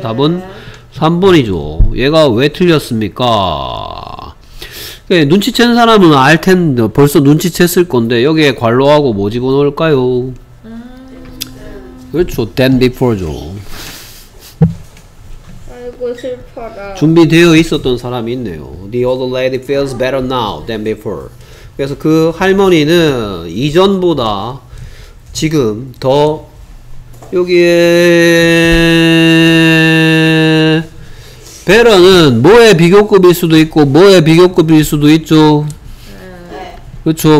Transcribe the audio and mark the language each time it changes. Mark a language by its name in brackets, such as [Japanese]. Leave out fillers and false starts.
[Korean] 답은 3번이죠. 얘가 왜 틀렸습니까? 네, 눈치챈 사람은 알 텐데 벌써 눈치챘을 건데 여기에 관로하고 뭐 집어넣을까요? 그렇죠. [English] than before [Korean] 죠. 슬퍼라. 준비되어 있었던 사람이 있네요. [English] The old lady feels better now than before. [Korean] 그래서 그 할머니는 이전보다 지금 더 여기에 better는 뭐의 비교급일 수도 있고 뭐의 비교급일 수도 있죠. 그렇죠.